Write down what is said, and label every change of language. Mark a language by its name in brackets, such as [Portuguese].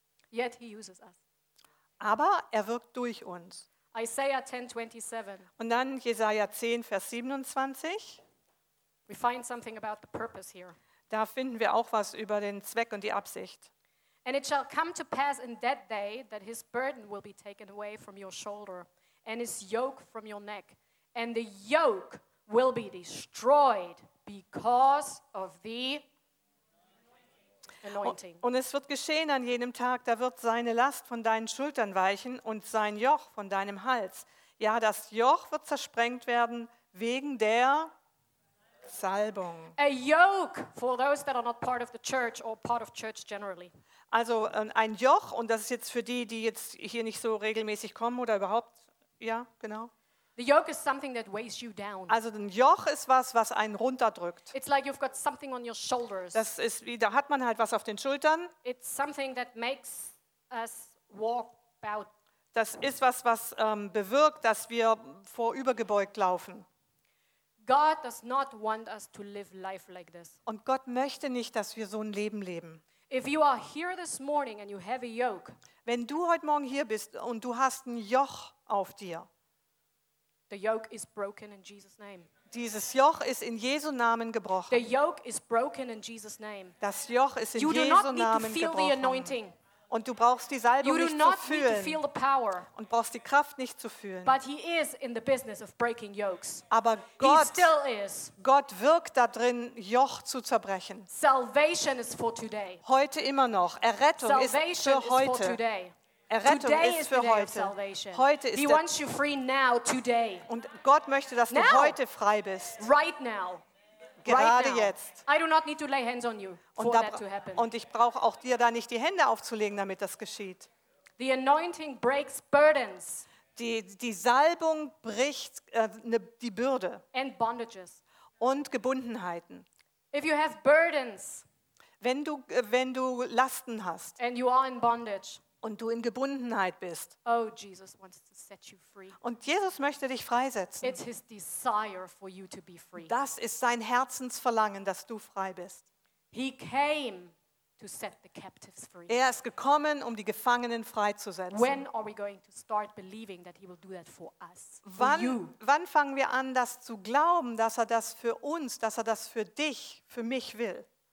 [English] Yet he uses us. [German] Aber er wirkt durch uns. [English] Isaiah 10:27. [German] Und dann Jesaja 10, Vers 27. [English] We find something about the purpose here. [German] Da finden wir auch was über den Zweck und die Absicht. [English] And it shall come to pass in that day that his burden will be taken away from your shoulder and his yoke from your neck. And the yoke will be destroyed because of the anointing. [German] Und es wird geschehen an jenem Tag, da wird seine Last von deinen Schultern weichen und sein Joch von deinem Hals. Ja, das Joch wird zersprengt werden wegen der Salbung. [English] A yoke for those that are not part of the church or part of church generally. [German] Also ein Joch, und das ist jetzt für die, die jetzt hier nicht so regelmäßig kommen oder überhaupt, ja, genau. [English] The yoke is something that weighs you down. [German] Also ein Joch ist was, was einen runterdrückt. [English] It's like you've got something on your shoulders. [German] Das ist wie, da hat man halt was auf den Schultern. [English] It's something that makes us walk about. [German] Das ist was, was bewirkt, dass wir vorübergebeugt laufen. [English] God does not want us to live life like this. [German] Und Gott möchte nicht, dass wir so ein Leben leben. [English] If you are here this morning and you have a yoke. [German] Wenn du heute Morgen hier bist und du hast ein Joch auf dir. [English] The yoke is broken in Jesus' name. [German] Dieses Joch ist in Jesu Namen gebrochen. [English] The yoke is broken in Jesus' name. [German] Das Joch ist in Jesu Namen gebrochen. Und du brauchst die Salbung nicht zu fühlen. [English] You do not need to feel the power. [German] Und brauchst die Kraft nicht zu fühlen. [English] But he is in the business of breaking yokes. [German] Aber Gott, [English] he still is. [German] Gott wirkt da drin, Joch zu zerbrechen. [English] Salvation is for today. [German] Heute immer noch. Errettung ist für heute. [English] Is for today. [German] Errettung [English] today [German] ist für heute. Heute ist [English] He wants you free now, today. [German] Und Gott möchte, dass [English] now. [German] Du heute frei bist. [English] Right now. [German] Gerade jetzt. [English] I do not need to lay hands on you for that to happen. [German] Und ich brauche auch dir da nicht die Hände aufzulegen, damit das geschieht. [English] The anointing breaks burdens. [German] Die Salbung bricht die Bürde. [English] And bondages. [German] Und Gebundenheiten. [English] If you have burdens. [German] Wenn du Lasten hast. [English] And you are in bondage. [German] Und du in Gebundenheit bist. [English] Oh, Jesus wants to set you free. [German] Und Jesus möchte dich freisetzen. [English] It's his desire for you to be free. [German] Das ist sein Herzensverlangen, dass du frei bist. [English] He came to set the captives free. [German] Er ist gekommen, um die Gefangenen freizusetzen. [English] When are we going to start believing that he will do that for us? [German] Wann fangen wir an, das zu glauben, dass er das für uns, dass er das für dich, für mich will?